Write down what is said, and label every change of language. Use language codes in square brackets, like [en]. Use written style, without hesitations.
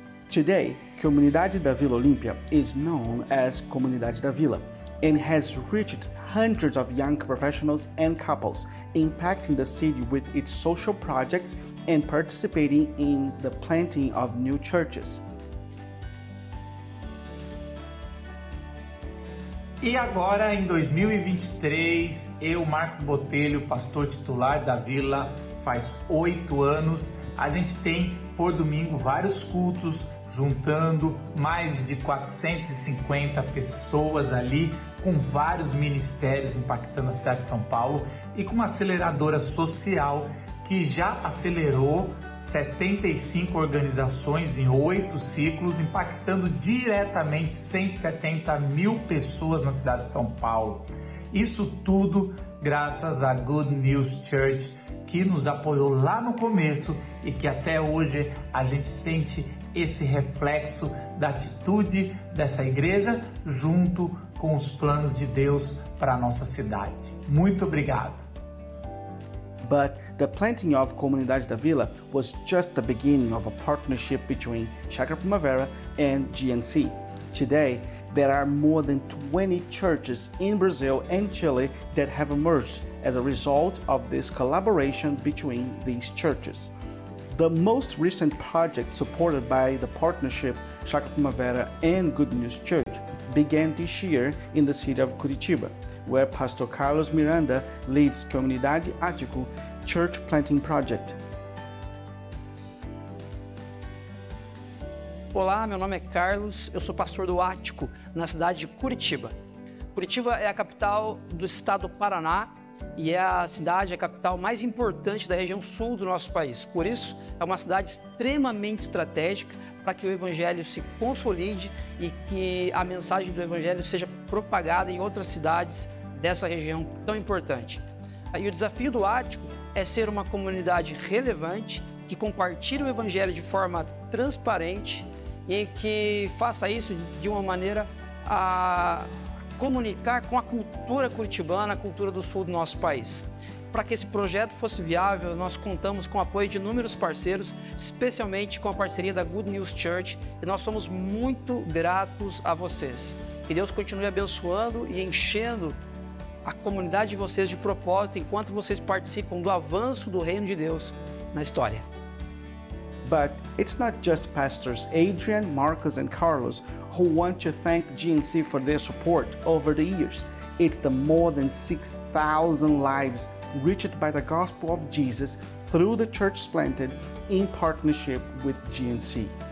[en] Today, Comunidade da Vila Olímpia is known as Comunidade da Vila and has reached hundreds of young professionals and couples, impacting the city with its social projects and participating in the planting of new churches. [pt] E agora, em 2023, eu, Marcos Botelho, pastor titular da Vila, faz 8 anos, a gente tem, por domingo, vários cultos, juntando mais de 450 pessoas ali, com vários ministérios impactando a cidade de São Paulo e com uma aceleradora social que já acelerou 75 organizações em 8 ciclos, impactando diretamente 170 mil pessoas na cidade de São Paulo. Isso tudo graças à Good News Church, que nos apoiou lá no começo e que até hoje a gente sente esse reflexo da atitude dessa igreja junto com os planos de Deus para a nossa cidade. Muito obrigado! [en] But the planting of Comunidade da Vila was just the beginning of a partnership between Chakra Primavera and GNC. Today, there are more than 20 churches in Brazil and Chile that have emerged as a result of this collaboration between these churches. The most recent project supported by the partnership Chakra Primavera and Good News Church began this year in the city of Curitiba, where Pastor Carlos Miranda leads Comunidade Ático Church Planting Project. [pt] Olá, meu nome é Carlos, eu sou pastor do Ático, na cidade de Curitiba. Curitiba é a capital do estado do Paraná e é a cidade, a capital mais importante da região sul do nosso país. Por isso, é uma cidade extremamente estratégica para que o evangelho se consolide e que a mensagem do evangelho seja propagada em outras cidades dessa região tão importante. E o desafio do Ático é ser uma comunidade relevante, que compartilhe o evangelho de forma transparente e que faça isso de uma maneira a comunicar com a cultura curitibana, a cultura do sul do nosso país. para que esse projeto fosse viável, nós contamos com o apoio de inúmeros parceiros, especialmente com a parceria da Good News Church, e nós somos muito gratos a vocês. Que Deus continue abençoando e enchendo a comunidade de vocês de propósito enquanto vocês participam do avanço do Reino de Deus na história. [en] But it's not just pastors Adrian, Marcus, and Carlos who want to thank GNC for their support over the years. It's the more than 6,000 lives reached by the gospel of Jesus through the church planted in partnership with GNC.